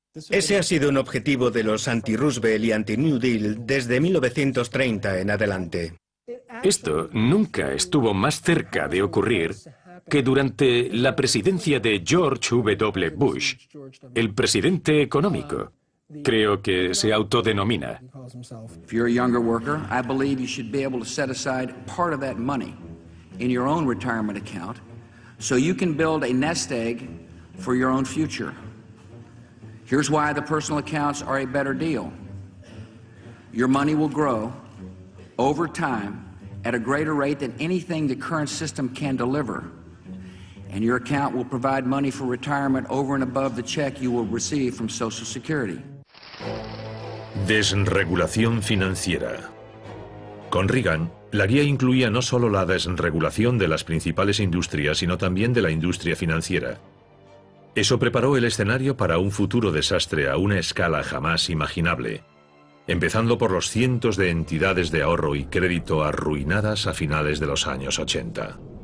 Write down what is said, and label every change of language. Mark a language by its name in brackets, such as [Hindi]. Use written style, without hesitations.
[Spanish] Ese ha sido un objetivo de los anti-Roosevelt y anti-New Deal desde 1930 en adelante. Esto nunca estuvo más cerca de ocurrir que durante la presidencia de George W. Bush, el presidente económico, creo que se autodenomina. Si eres un [English] younger worker, I believe you should be able to set aside part of that money in your own retirement account so you can build a nest egg for your own future. Here's why the personal accounts are a better deal. Your money will grow over time at a greater rate than anything the current system can deliver. And your account will provide money for retirement over and above the check you will receive from Social Security. [Spanish] Desregulación financiera. Con Reagan, la guía incluía no solo la desregulación de las principales industrias, sino también de la industria financiera. Eso preparó el escenario para un futuro desastre a una escala jamás imaginable, empezando por los cientos de entidades de ahorro y crédito arruinadas a finales de los años 80.